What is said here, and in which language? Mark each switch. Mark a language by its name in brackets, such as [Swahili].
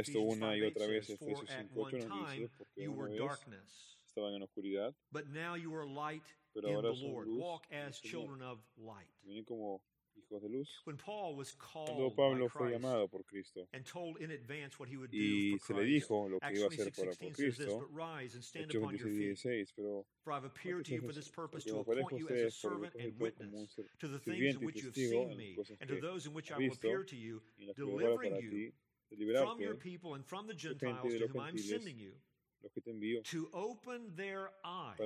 [Spanish] esto una y otra vez en Efesios 5:8 nos dice, porque una vez [English] darkness, [Spanish] estaban en oscuridad, [English] but now you are light [Spanish] pero ahora [English] in the Lord. [Spanish] Luz, [English] walk as children of light. [Spanish] Miren como hijos de luz. [English] When Paul was called [Spanish] cuando Pablo [English] by Christ [Spanish] fue llamado por Cristo [English] and told in advance what he would do [Spanish] y [English] for Christ, [Spanish] se le dijo lo que iba a hacer por Cristo, Hechos 16:16, pero [English] for I have appeared to you for this purpose to appoint you as a servant and witness to the things in which you have seen me and to those in which I will appear to you, delivering you from your people and from the Gentiles to whom I'm sending you to open their eyes